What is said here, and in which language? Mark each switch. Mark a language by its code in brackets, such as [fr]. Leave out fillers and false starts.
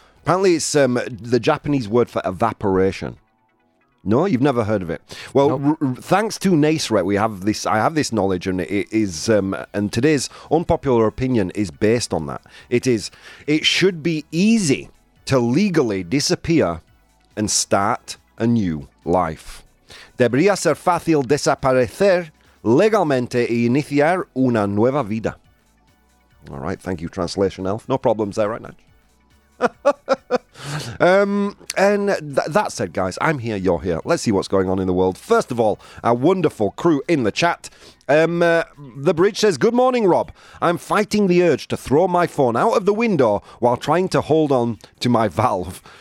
[en] Apparently it's the Japanese word for evaporation. No, you've never heard of it. Well, nope. Thanks to Nasret, I have this knowledge, and it is and today's unpopular opinion is based on that. It should be easy to legally disappear and start a new life. [es] Debería ser fácil desaparecer legalmente y iniciar una nueva vida. [en] All right, thank you, Translation Elf. No problems there, right, Natch? that said, guys, I'm here, you're here. Let's see what's going on in the world. First of all, our wonderful crew in the chat. The Bridge says, good morning, Rob. I'm fighting the urge to throw my phone out of the window while trying to hold on to my valve.